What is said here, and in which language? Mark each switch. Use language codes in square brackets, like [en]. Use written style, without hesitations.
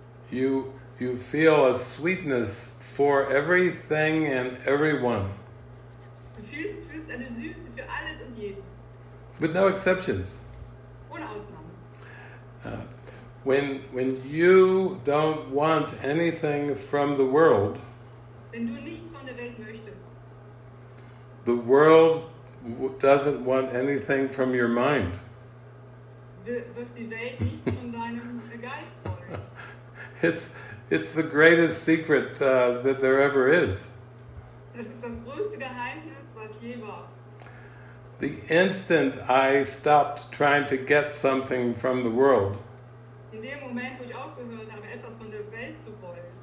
[en] You feel a sweetness for everything and everyone. [de] Du fühlst eine Süße für alles und jeden. [en] With no exceptions. [de] Ohne Ausnahmen. [en] When you don't want anything from the world, [de] wenn du nichts von der Welt möchtest, [en] the world doesn't want anything from your mind. [de] Wird die Welt nicht von deinem Geist wollen. [en] It's the greatest secret that there ever is. [de] Das ist das größte Geheimnis, was je war. [en] The instant I stopped trying to get something from the world, [de] in dem Moment, wo ich aufgehört habe, etwas von der Welt zu wollen,